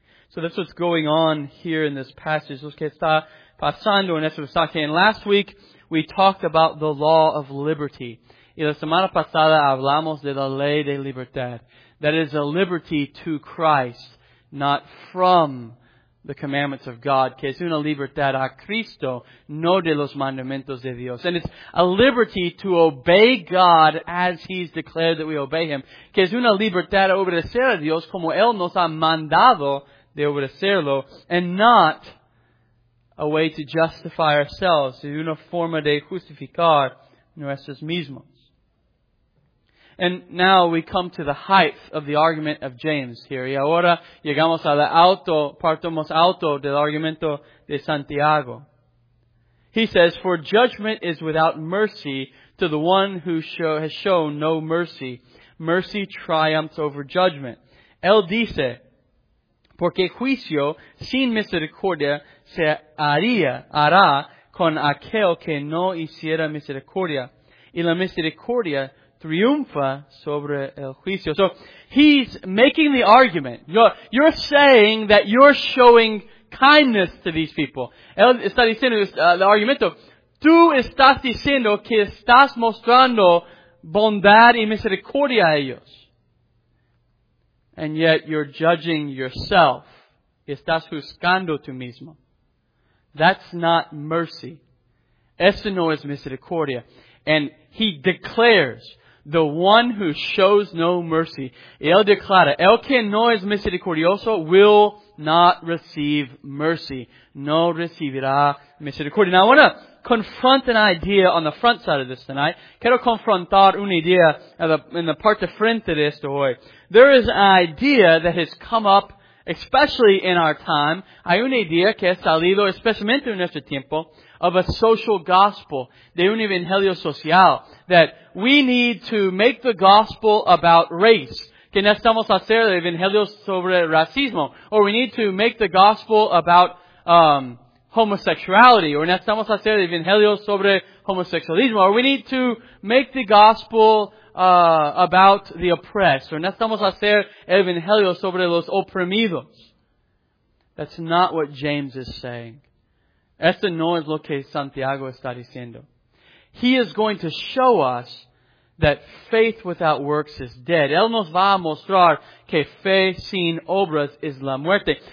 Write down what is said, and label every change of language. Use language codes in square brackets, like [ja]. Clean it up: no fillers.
[en] So that's what's going on here in this passage. [es] Lo que está pasando en este pasaje. [en] And last week we talked about the law of liberty. [es] Y la semana pasada hablamos de la ley de libertad. [en] That is a liberty to Christ, not from the commandments of God. [es] Que es una libertad a Cristo, no de los mandamientos de Dios. [en] And it's a liberty to obey God as He's declared that we obey Him. [es] Que es una libertad a obedecer a Dios como Él nos ha mandado de obedecerlo. [en] And not a way to justify ourselves. [es] Es una forma de justificar nuestros mismos. [en] And now we come to the height of the argument of James here. [es] Y ahora llegamos a la alto, partimos alto del argumento de Santiago. [en] He says, for judgment is without mercy to the one who has shown no mercy. Mercy triumphs over judgment. [es] Él dice, porque juicio sin misericordia se hará con aquel que no hiciera misericordia. Y la misericordia triunfa sobre el juicio. [en] So, he's making the argument. You're saying that you're showing kindness to these people. [es] Él está diciendo el argumento. Tú estás diciendo que estás mostrando bondad y misericordia a ellos. [en] And yet, you're judging yourself. [es] Estás juzgando tú mismo. [en] That's not mercy. [es] Eso no es misericordia. [en] And he declares, the one who shows no mercy. [es] Él declara, el que no es misericordioso [en] will not receive mercy. [es] No recibirá misericordia. [en] Now I want to confront an idea on the front side of this tonight. [es] Quiero confrontar una idea en la parte frente de esto hoy. [en] There is an idea that has come up, especially in our time. [es] Hay una idea que ha salido, especialmente en nuestro tiempo, [en] of a social gospel, [es] de un evangelio social, [en] that we need to make the gospel about race. [es] Que necesitamos hacer el evangelio sobre el racismo. [en] Or we need to make the gospel about homosexuality. [es] Or necesitamos hacer el evangelio sobre homosexualismo. [en] Or we need to make the gospel about the oppressed. [es] Or necesitamos hacer el evangelio sobre los oprimidos. [en] That's not what James is saying. [es] Esto no es lo que Santiago está diciendo. [en] He is going to show us that faith without works is dead. [es] Él nos va a mostrar que fe sin obras es la muerte.